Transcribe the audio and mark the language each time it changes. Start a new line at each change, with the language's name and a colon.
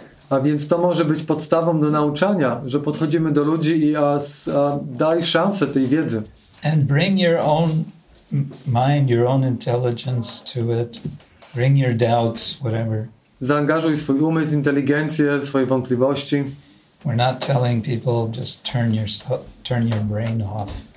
Polish: A więc to może być podstawą do nauczania, że podchodzimy do ludzi i daj szansę tej wiedzy.
English: And bring your own mind, your own intelligence to it. Bring your doubts, whatever.
Polish: Zaangażuj swój umysł, inteligencję, swoje wątpliwości.
English: We're not telling people just turn your brain off.